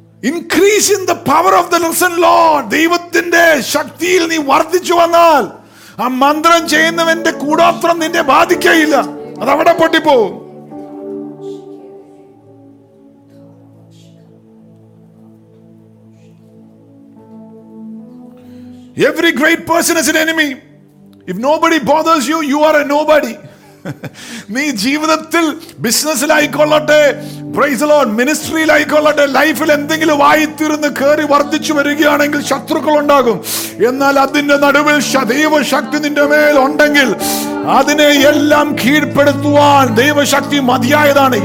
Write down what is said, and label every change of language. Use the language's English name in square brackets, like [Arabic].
[English] Increase in the power of the risen Lord. [Malayalam] ദൈവത്തിന്റെ ശക്തിയിൽ നീ വർദ്ധിച്ചു വന്നാൽ ആ മന്ത്രം ചെയ്യുന്നവന്റെ കൂടോത്രം നിന്നെ ബാധിക്കയില്ല. അത് അവിടെ പൊട്ടിപ്പോ. [English] Every great person is an enemy. If nobody bothers you, you are a nobody. [Malayalam] നീ ജീവിതത്തിൽ ബിസിനസ്സിൽ ആയിക്കൊള്ളട്ടെ, പ്രൈസ് ദി ലോർഡ്, മിനിസ്ട്രിയിൽ ആയിക്കൊള്ളട്ടെ, ലൈഫിൽ എന്തെങ്കിലും വായിത്തിരുന്ന് കയറി വർദ്ധിച്ചു വരികയാണെങ്കിൽ ശത്രുക്കൾ ഉണ്ടാകും. എന്നാൽ അതിന്റെ നടുവിൽ ദൈവശക്തി നിന്റെ മേൽ ഉണ്ടെങ്കിൽ അതിനെ എല്ലാം കീഴ്പ്പെടുത്തുവാൻ ദൈവശക്തി മതിയായതാണ്.